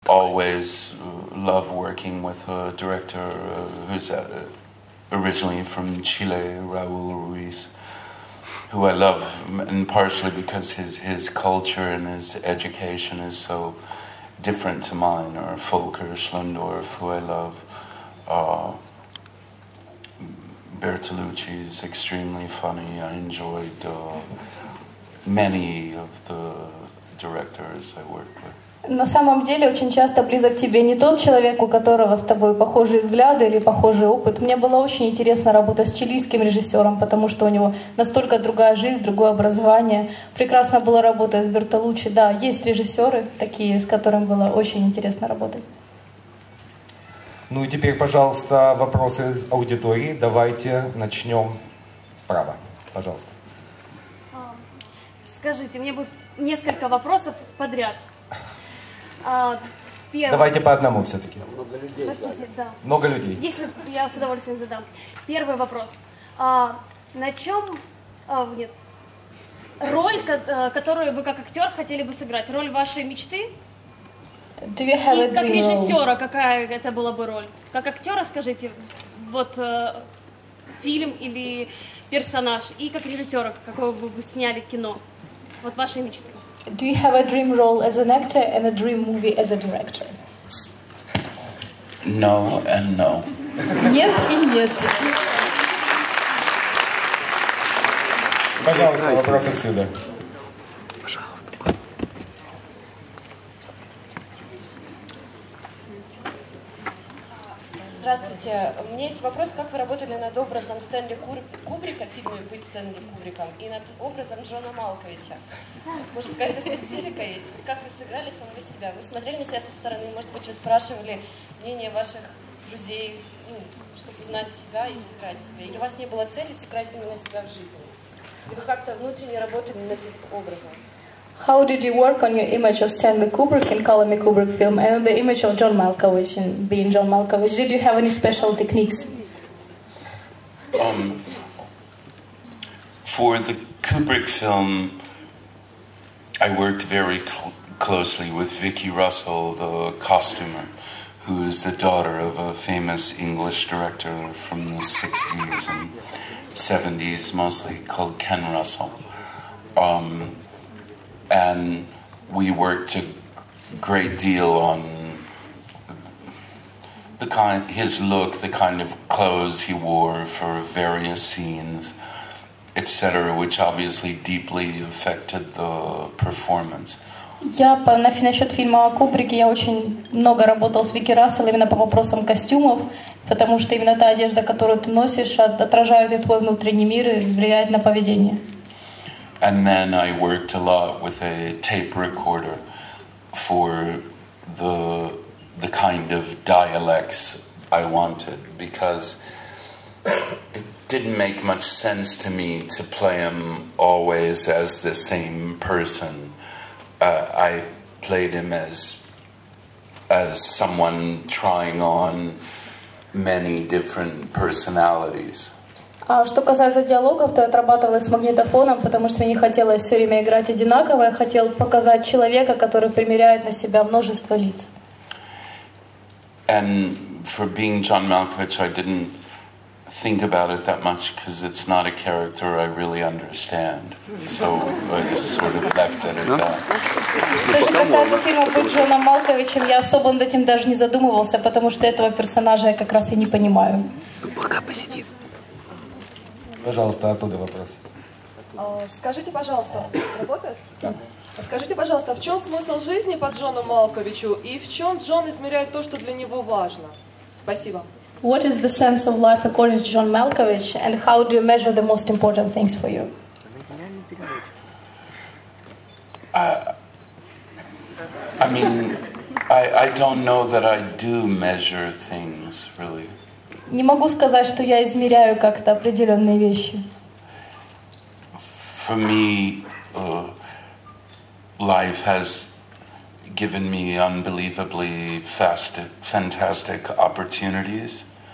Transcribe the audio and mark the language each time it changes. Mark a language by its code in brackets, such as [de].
[en] always love working with a director who's originally from Chile, Raúl Ruiz, who I love, and partially because his culture and his education is so different to mine, or Volker Schlondorf, who I love. Bertolucci is extremely funny. I enjoyed many of the directors I worked with. [ru] На самом деле очень часто близок тебе не тот человек, у которого с тобой похожие взгляды или похожий опыт. Мне было очень интересно работать с чилийским режиссером, потому что у него настолько другая жизнь, другое образование. Прекрасно было работать с Бертолуччи. Да, есть режиссеры такие, с которыми было очень интересно работать. Ну и теперь, пожалуйста, вопросы из аудитории. Давайте начнем справа. Пожалуйста. Скажите, мне будет несколько вопросов подряд. Давайте по одному все-таки. Много людей. Простите, да. Много людей. Если я с удовольствием задам. Первый вопрос. На чем... нет. Роль, которую вы как актер хотели бы сыграть? Роль вашей мечты? И как режиссера, какая это была бы роль? Как актера, скажите, вот фильм или персонаж. И как режиссера, какого бы вы сняли кино? Вот ваши мечты. [en] Do you have a dream role as an actor and a dream movie as a director? No and no. [ru] Нет и нет. Пожалуйста, вопрос отсюда. Пожалуйста. Здравствуйте. У меня есть вопрос, как вы работали над образом Стэнли Кубрика в фильме «Быть Стэнли Кубриком» и над образом Джона Малковича? Может, какая-то специфика есть? Как вы сыграли самого себя? Вы смотрели на себя со стороны? Может быть, вы спрашивали мнение ваших друзей, чтобы узнать себя и сыграть себя? Или у вас не было цели сыграть именно себя в жизни? Или вы как-то внутренне работали над этим образом? [en] How did you work on your image of Stanley Kubrick in Call Me Kubrick film and the image of John Malkovich in being John Malkovich? Did you have any special techniques? For the Kubrick film, I worked very closely with Vicki Russell, the costumer, who is the daughter of a famous English director from the 60s and 70s, mostly, called Ken Russell. And we worked a great deal on the kind, his look, the kind of clothes he wore for various scenes, etc., which obviously deeply affected the performance. [ru] Я насчет фильма о Кубрике, я очень много работал с Вики Рассел именно по вопросам костюмов, потому что именно та одежда, которую ты носишь, отражает и твой внутренний мир, и влияет на поведение. [en] And then I worked a lot with a tape recorder for the kind of dialects I wanted, because it didn't make much sense to me to play him always as the same person. I played him as someone trying on many different personalities. [ru] Что касается диалогов, то я отрабатывала с магнитофоном, потому что мне не хотелось все время играть одинаково. Я хотел показать человека, который примеряет на себя множество лиц. [en] And for being John Malkovich, I didn't think about it that much, because it's not a character I really understand. So I just sort of left it at that. [ru] Что же касается фильма «Быть Джоном Малковичем», я особо над этим даже не задумывался, потому что этого персонажа я как раз и не понимаю. Пока посидим. Пожалуйста, оттуда вопрос. Скажите, пожалуйста, работает? Да. Скажите, пожалуйста, в чем смысл жизни по Джону Малковичу и в чем Джон измеряет то, что для него важно? Спасибо. [en] What is the sense of life according to John Malkovich and how do you measure the most important things for you? I mean, I don't know that I do measure things really. [ru] Не могу сказать, что я измеряю как-то определенные вещи. [en] For me, life has given me unbelievably fantastic opportunities.